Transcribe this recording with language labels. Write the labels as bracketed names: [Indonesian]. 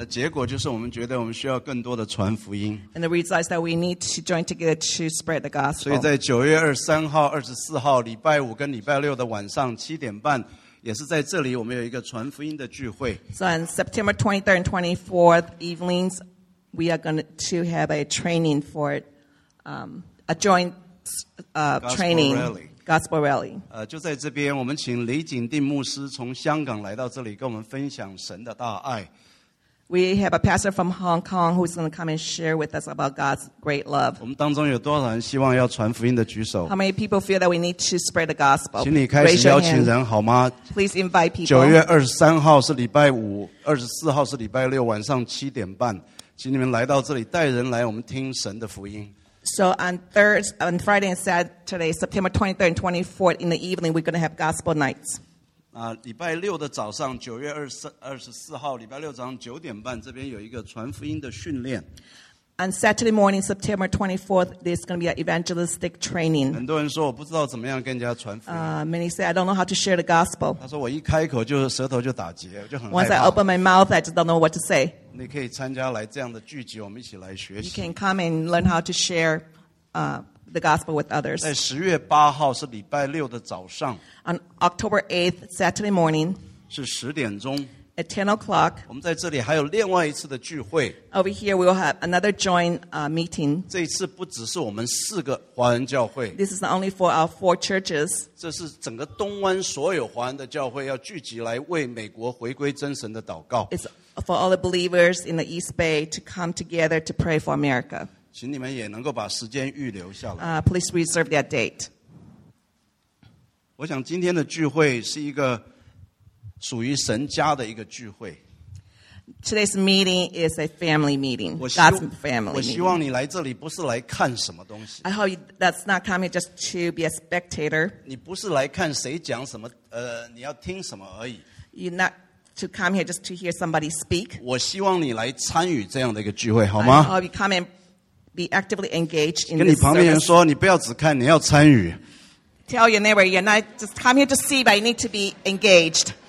[Chinese] 结果就是我们觉得我们需要更多的传福音。 [English] And the result is that we need to join together to spread the gospel. [Chinese] 所以在9月23号、24号、礼拜五跟礼拜六的晚上7:30，也是在这里我们有一个传福音的聚会。 [English] So on September 23rd and 24th evenings, we are going to have a training for a joint training gospel rally. [Chinese] 就在这边，我们请李景定牧师从香港来到这里，跟我们分享神的大爱。 [English] We have a pastor from Hong Kong who's going to come and share with us about God's great love. [Chinese] 我们当中有多少人希望要传福音的举手? [English] How many people feel that we need to spread the gospel? [Chinese] 请你开始邀请人好吗? [English] Please invite people. [Chinese] 9月23号是礼拜五, 24号是礼拜六, 晚上7点半, 请你们来到这里, 带人来, 我们听神的福音。 [English] So on Friday and Saturday, September 23rd and 24th in the evening, we're going to have gospel nights. [Chinese] 礼拜六的早上, 9月24号, 礼拜六早上 9点半, 这边有一个传福音的训练。 [English] On Saturday morning, September 24th, there's going to be an evangelistic training. [Chinese] 很多人说我不知道怎么样跟人家传福音。 [English] Many say, I don't know how to share the gospel. [Chinese] 他说我一开口就舌头就打结, 就很害怕。 [English] Once I open my mouth, I just don't know what to say. [Chinese] 你可以参加来这样的聚集, 我们一起来学习。 [English] You can come and learn how to share the gospel with others. [Chinese] 在10月8号是礼拜六的早上。 [English] On October 8th, Saturday morning. [Chinese] 是10点钟。 [English] At 10 o'clock. [Chinese] 我们在这里还有另外一次的聚会。 [English] Over here, we'll have another joint meeting. [Chinese] 这一次不只是我们四个华人教会。 [English] This is not only for our four churches. [Chinese] 这是整个东湾所有华人的教会要聚集来为美国回归真神的祷告。 [English] It's for all the believers in the East Bay to come together to pray for America. [Chinese] 请你们也能够把时间预留下来。 [English] Please reserve that date. [Chinese] 我想今天的聚会是一个 属于神家的一个聚会。 [English] Today's meeting is a family meeting, God's family. [Chinese] 我希望你来这里不是来看什么东西。 [English] I hope that's not coming just to be a spectator. [Chinese] 你不是来看谁讲什么, 你要听什么而已。 [English] You're not to come here just to hear somebody speak. [Chinese] 我希望你来参与这样的一个聚会, 好吗? [English] I hope you come and be actively engaged in this [Chinese] 跟你旁边人说, 你不要只看, 你要参与。 [English] Tell your neighbor, you're not just come here to see, but you need to be engaged.